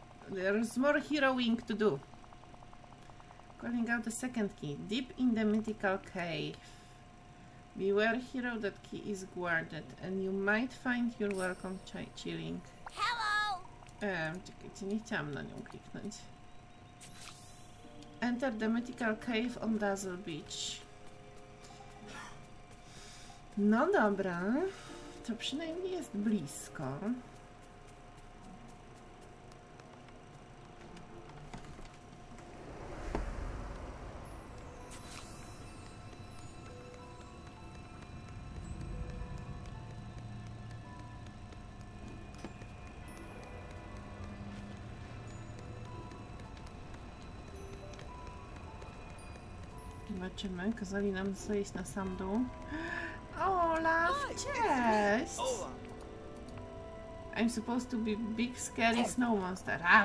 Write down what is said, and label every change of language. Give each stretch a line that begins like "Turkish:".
English: There's more heroing to do. Calling out the second key. Deep in the mythical cave. Beware, hero, that key is guarded, and you might find your welcome chilling. Hello!
Polish: Czekajcie, nie chciałam na nią kliknąć.
English: Enter the mythical cave on Dazzle Beach.
Polish: No dobra, to przynajmniej jest blisko. Zobaczymy, kazali nam zejść na sam dół. Olaf, cześć!
English: I'm supposed to be big scary snow monster.